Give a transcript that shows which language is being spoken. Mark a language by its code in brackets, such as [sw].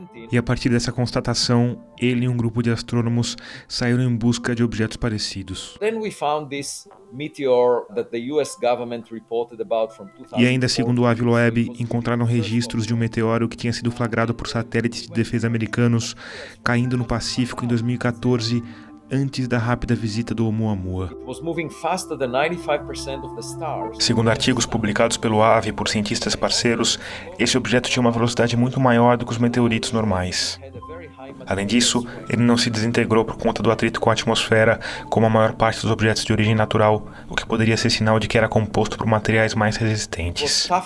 [pt] E a partir dessa constatação, ele e um grupo de astrônomos saíram em busca de objetos parecidos. [en] Then we found this meteor that the US government reported about from [pt] E ainda, segundo o Avi [en] 2014 [pt] Loeb, encontraram registros de um meteoro que tinha sido flagrado por satélites de defesa americanos caindo no Pacífico em 2014, antes da rápida visita do Oumuamua. [en] moving faster than 95% of the stars. [pt] Segundo artigos publicados pelo Avi e por cientistas parceiros, esse objeto tinha uma velocidade muito maior do que os meteoritos normais. Além disso, ele não se desintegrou por conta do atrito com a atmosfera, como a maior parte dos objetos de origem natural, o que poderia ser sinal de que era composto por materiais mais resistentes.